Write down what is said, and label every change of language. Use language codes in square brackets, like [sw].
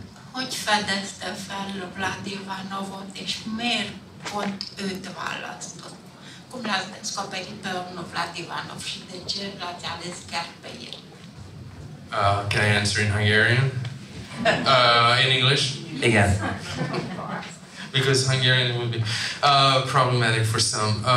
[hu] Hogy fedezte fel Vlad Ivanovot, és miért pont őt választott? [ro] Cum l-a descoperit pe domnul Vlad Ivanov și de ce l-ați ales chiar pe el? [en] Can I answer in Hungarian? In English? Yes. Because Hungarian would be problematic for some.